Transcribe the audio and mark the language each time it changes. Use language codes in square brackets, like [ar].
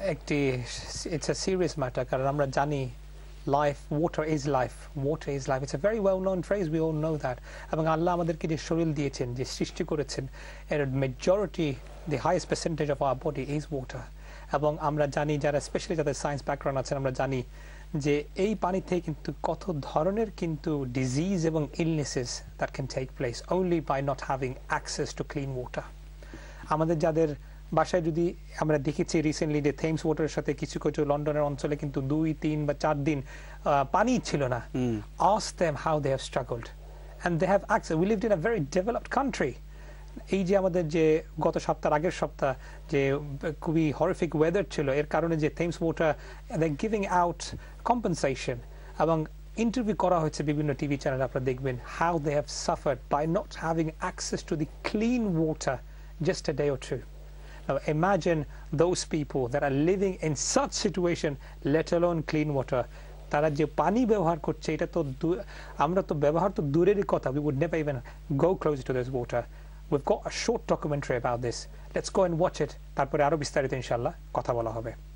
[en] It's a serious matter, because life, water is life, water is life. It's a very well-known phrase, we all know that. [bn] এবং আল্লাহ আমাদেরকে যে শরীর দিয়েছেন, যে সৃষ্টি করেছেন, এর majority, [en] The highest percentage of our body is water. [bn] এবং আমরা জানি, যারা স্পেশালি যাদের সায়েন্স ব্যাকগ্রাউন্ড আছেন, আমরা জানি যে এই পানি থেকে কিন্তু কত ধরনের কিন্তু ডিজিজ এবং [en] Illnesses that can take place only by not having access to clean water. [bn] আমাদের যাদের বাসায় যদি আমরা দেখেছি রিসেন্টলি যে থেমস ওয়াটারের সাথে কিছু কিছু লন্ডনের অঞ্চলে কিন্তু 2-3 বা 4 দিন পানি ছিল না, [en] Ask them how they have struggled and they have access, we lived in a very developed country. [bn] এই যে আমাদের যে গত সপ্তাহ, আগের সপ্তাহ যে খুবই হরিফিক ওয়েদার ছিল, এর কারণে যে থেমস ওয়াটার [en] they giving out compensation, [bn] এবং ইন্টারভিউ করা হয়েছে বিভিন্ন টিভি চ্যানেলে আপনারা দেখবেন [en] How they have suffered by not having access to the clean water just a day or two Now imagine those people that are living in such situation, let alone clean water. We would never even go close to this water. We've got a short documentary about this. Let's go and watch it. [bn] Tarpore aro bistarito inshallah kotha bola hobe.